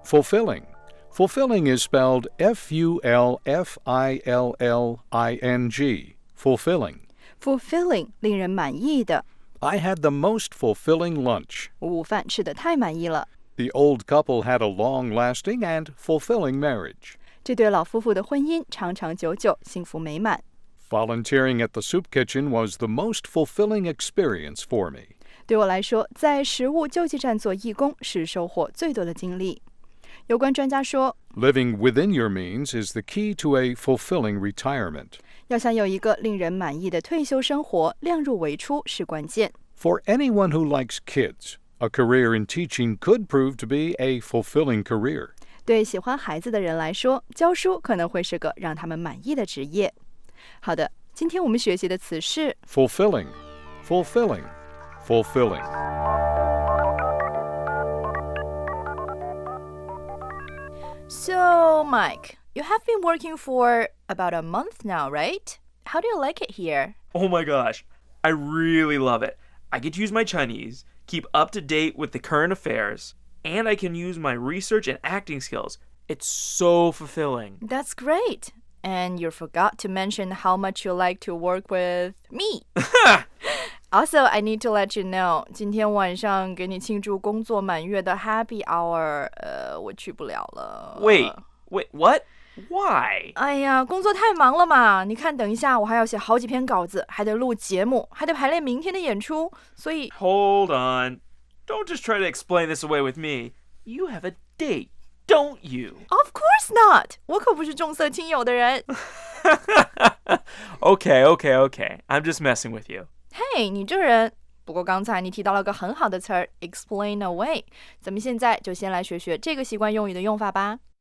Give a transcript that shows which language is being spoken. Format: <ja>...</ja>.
<en>fulfilling. Fulfilling is spelled F-U-L-F-I-L-L-I-N-G. Fulfilling.</en> <zh>Fulfilling, 令人满意的。</zh> <en>I had the most fulfilling lunch.</en> <zh>我午饭吃得太满意了。</zh> <en>The old couple had a long-lasting and fulfilling marriage.</en> <zh>这对老夫妇的婚姻长长久久，幸福美满。</zh> <en>Volunteering at the soup kitchen was the most fulfilling experience for me.</en> <zh>对我来说，在食物救济站做义工是收获最多的经历。有关专家说，</zh> <en>Living within your means is the key to a fulfilling retirement.</en> <zh>要想有一个令人满意的退休生活，量入为出是关键。</zh> <en>For anyone who likes kids, a career in teaching could prove to be a fulfilling career.</en> <zh>对喜欢孩子的人来说，教书可能会是个让他们满意的职业。好的，今天我们学习的词是</zh> <en>fulfilling, fulfilling, fulfilling. So, Mike, you have been working for about a month now, right? How do you like it here? Oh my gosh, I really love it. I get to use my Chinese, keep up to date with the current affairs, and I can use my research and acting skills. It's so fulfilling. That's great. And you forgot to mention how much you like to work with me. Also, I need to let you know,</en> <zh>今天晚上给你庆祝工作满月的</zh> <en>happy hour,</en> <zh>我去不了了。</zh> <en>Wait, what? Why?</en> <zh>哎呀，工作太忙了嘛。你看等一下我还要写好几篇稿子，还得录节目，还得排练明天的演出，所以</zh> <en>Hold on. Don't just try to explain this away with me. You have a date. Don't you? Of course not!</en> <zh>我可不是重色轻友的人。</zh> <en>okay. I'm just messing with you.</en> <zh>Hey, 你这人。不过刚才你提到了个很好的词儿 explain away. 咱们现在就先来学学这个习惯用语的用法吧。</zh>